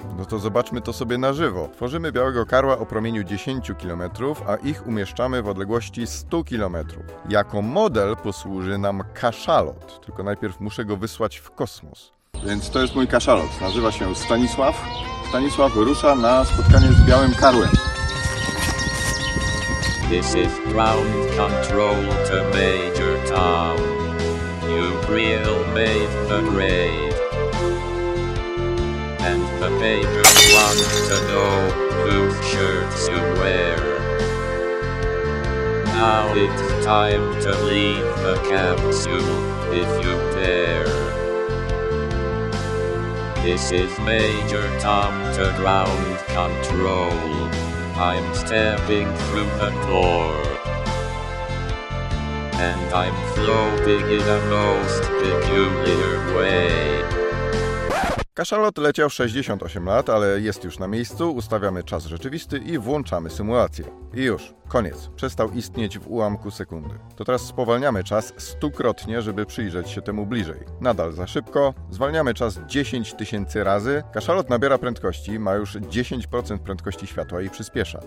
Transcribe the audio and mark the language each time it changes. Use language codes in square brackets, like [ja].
[pl] No to zobaczmy to sobie na żywo. Tworzymy białego karła o promieniu 10 km, a ich umieszczamy w odległości 100 km. Jako model posłuży nam kaszalot, tylko najpierw muszę go wysłać w kosmos. Więc to jest mój kaszalot. Nazywa się Stanisław. Stanisław rusza na spotkanie z białym karłem. [en] This is ground control to Major Tom. You've real made the grade. And the major wants to know whose shirts you wear. Now it's time to leave the capsule, if you dare. This is Major Tom to ground control. I'm stepping through the door. And I'm floating in a most peculiar way. [pl] Kaszalot leciał 68 lat, ale jest już na miejscu, ustawiamy czas rzeczywisty i włączamy symulację. I już, koniec. Przestał istnieć w ułamku sekundy. To teraz spowalniamy czas stukrotnie, żeby przyjrzeć się temu bliżej. Nadal za szybko. Zwalniamy czas 10 tysięcy razy. Kaszalot nabiera prędkości, ma już 10% prędkości światła i przyspiesza.